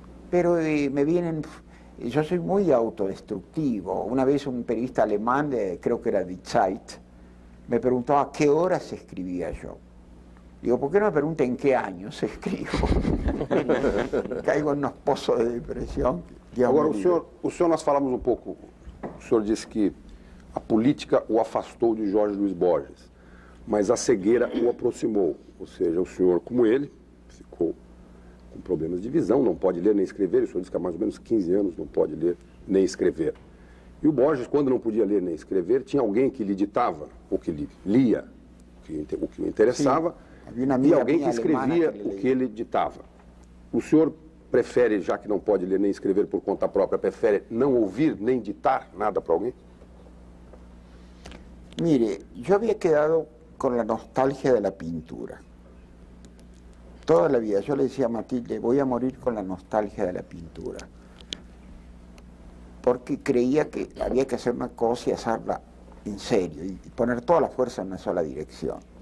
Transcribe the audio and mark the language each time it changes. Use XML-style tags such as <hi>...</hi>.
<es>Pero me vienen... Yo soy muy autodestructivo. Una vez un periodista alemán, creo que era Die Zeit, me preguntaba a qué horas escribía yo. Digo, ¿por qué no me pregunta en qué años escribo? Caigo en unos pozos de depresión.</es> <pt>Ahora, o señor, nos hablamos un poco... O senhor disse que a política o afastou de Jorge Luiz Borges, mas a cegueira o aproximou. Ou seja, o senhor, como ele, ficou com problemas de visão, não pode ler nem escrever. O senhor disse que há mais ou menos 15 anos não pode ler nem escrever. E o Borges, quando não podia ler nem escrever, tinha alguém que lhe ditava o que lhe lia, o que o interessava, e alguém que escrevia o que ele ditava. O senhor... prefere, já que não pode ler nem escrever por conta própria, prefere não ouvir nem ditar nada para alguém?</pt> <es>Mire, yo había quedado con la nostalgia de la pintura. Toda la vida, yo le decía a Matilde, voy a morir con la nostalgia de la pintura. Porque creía que había que hacer una cosa y hacerla en serio, y poner toda la fuerza en una sola dirección.</es>